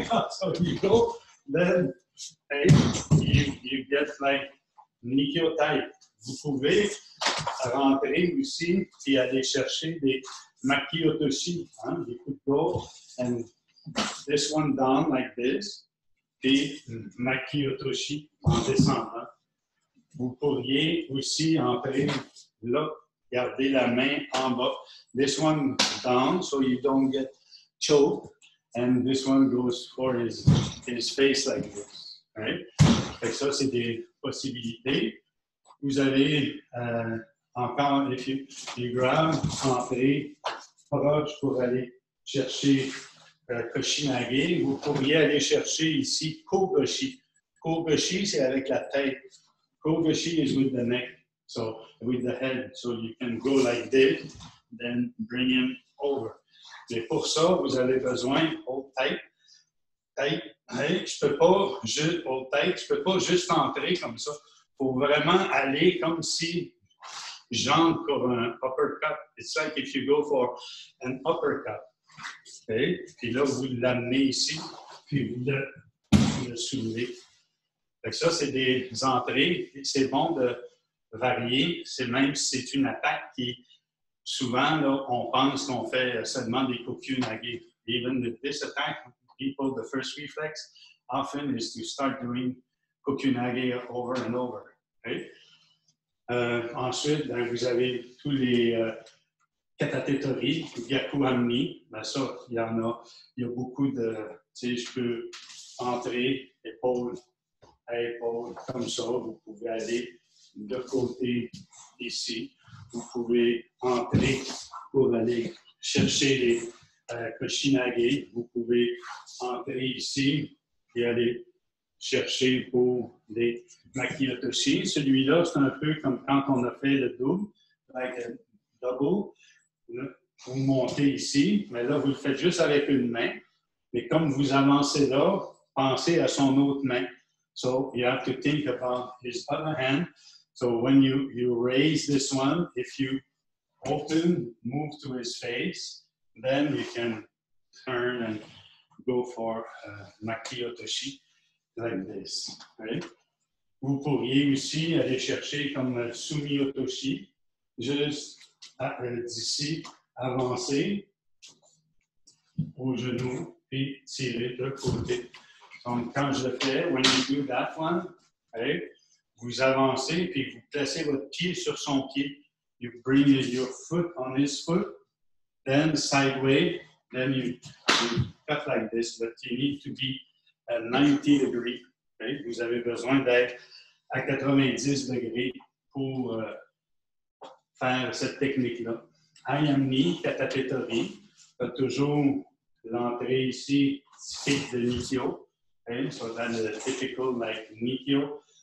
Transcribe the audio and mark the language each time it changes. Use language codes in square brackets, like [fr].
[en] So you go, then hey, you get like Nikio type. [fr] Vous pouvez rentrer ici et aller chercher des Makiotoshi. Hein? [en] You could go and this one down like this, [fr] et Makiotoshi en descendant. [en] Hein? [fr] Vous pourriez aussi entrer là, garder la main en bas. [en] This one down, so you don't get choked. And this one goes for his face like this. [fr] Right? Fait que ça, c'est des possibilités. Vous allez encore, [en] if you grab, [fr] entrer proche pour aller chercher Koshinage. Vous pourriez aller chercher ici Kogoshi. Kogoshi, c'est avec la tête. [en] Kogoshi is with the neck, so with the head, so you can go like this, then bring him over. [fr] Mais pour ça, vous avez besoin, [en] hold tight, tight, hey, [fr] je peux pas juste, hold tight, je peux pas juste entrer comme ça. Faut vraiment aller comme si j'entre pour un uppercut. [en] It's like if you go for an uppercut. Okay? [fr] Puis là, vous l'amenez ici, puis vous le soulevez. Fait que ça, c'est des entrées. C'est bon de varier. C'est même si c'est une attaque qui, souvent, là, on pense qu'on fait seulement des Kokyu Nage. [en] Even with this attack, people, the first reflex often is to start doing Kokyu Nage over and over. Okay? [fr] Ensuite, ben, vous avez tous les katatetori, Gyaku Ami. Ben, ça, il y en a. Il y a beaucoup de. Tu sais, je peux entrer, épaule. Comme ça, vous pouvez aller de côté ici. Vous pouvez entrer pour aller chercher les Koshinage. Vous pouvez entrer ici et aller chercher pour les Makiotoshi. Celui-là, c'est un peu comme quand on a fait le double, [en] like a double. [fr] Vous montez ici, mais là, vous le faites juste avec une main. Mais comme vous avancez là, pensez à son autre main. [en] So you have to think about his other hand. So when you raise this one, if you open, move to his face, then you can turn and go for Makiotoshi like this. Right? [fr] Vous pourriez aussi aller chercher comme Sumiotoshi, juste d'ici, avancer au genou et tirer de côté. Donc, quand je le fais, [en] when you do that one, okay, [fr] vous avancez, puis vous placez votre pied sur son pied. [en] You bring your foot on his foot, then sideways, then you cut like this, but you need to be at 90 degrees. Okay? [fr] Vous avez besoin d'être à 90 degrés pour faire cette technique-là. I am knee, katatetori, t'as toujours l'entrée ici, type de l'initio. [en] Okay, so that is a typical like Nikyo.